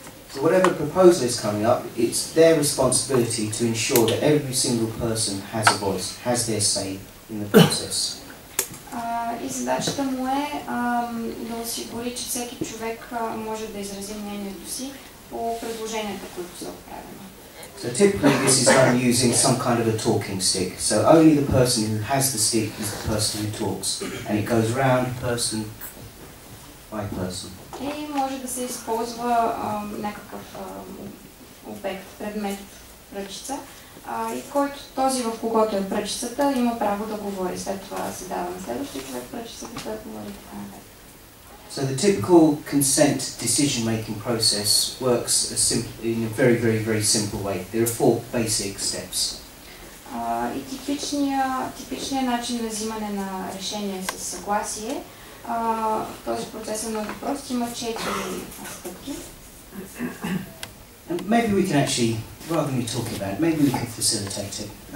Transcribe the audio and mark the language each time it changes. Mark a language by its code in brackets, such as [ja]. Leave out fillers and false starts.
[en] So whatever proposal is coming up, it's their responsibility to ensure that every single person has a voice, has their say in the process. [bg] И задачата му е да осигури, че всеки човек може да изрази мнението си по предложенията, които са отправени. [en] So typically this is done using some kind of a talking stick. So only the person who has the stick is the person who talks. And it goes round person by person. [bg] И може да се използва някакъв обект, предмет, пръчица. И който този, в когото е пръчицата, има право да говори. След това се дава на следващия човек пръчицата, който говори така нататък. [en] So the typical consent decision-making process works in a very, very, very simple way. There are four basic steps. [bg] И типичният начин на взимане на решение със съгласие, този процес е много прост, има четири стъпки. [en] And maybe we can actually, rather than you talking about it, maybe we can facilitate it.